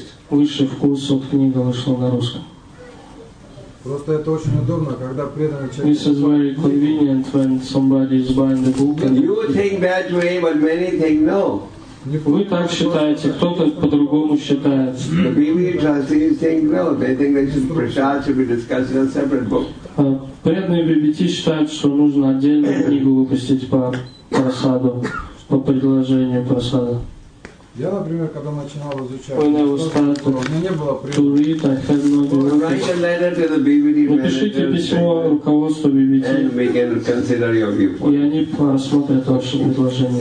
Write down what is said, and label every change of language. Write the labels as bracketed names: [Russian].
[Russian] Высший вкус от книги вышел на русском. Просто это очень удобно, когда преданный человек... [English] This is very convenient when somebody is buying the book. And you think that way, but many think no. [Russian] Вы так считаете, кто-то по-другому считает. [English] The BBE trustees think no. They think that this prasad should be discussed in a separate book. [Russian] Преданные BBT считают, что нужно отдельную книгу выпустить по прасаду, по предложению прасада. Я, например, когда начинал изучать, у меня не было привычки. Напишите письмо руководству BBT, и они рассмотрят ваше предложение.